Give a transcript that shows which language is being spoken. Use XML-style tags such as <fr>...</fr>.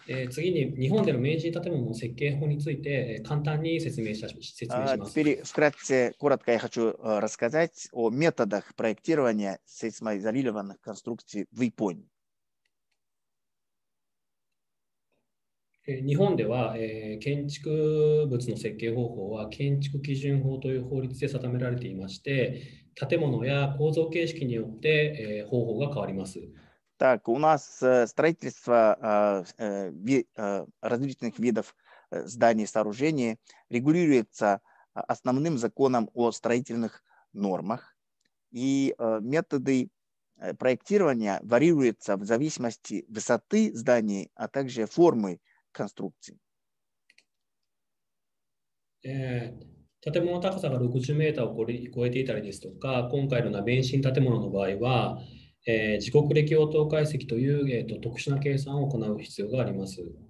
<ja>次に日本での明治建物の設計法について簡単に説明します。</ja> <ru>Теперь вкратце, коротко я хочу рассказать о методах проектирования сейсмоизолированных конструкций в Японии.</ru> <ja>日本では、建築物の設計方法は建築基準法という法律で定められていまして、建物や構造形式によって、方法が変わります。</ja> <ru>Так, у нас строительство различных видов зданий и сооружений регулируется основным законом о строительных нормах, и методы проектирования варьируются в зависимости высоты зданий, а также формы конструкции.</ru> <ja>建物の高さが60メーターを超えていたりですとか、今回のような免震建物の場合は、時刻歴応答解析という、特殊な計算を行う必要があります。</ja>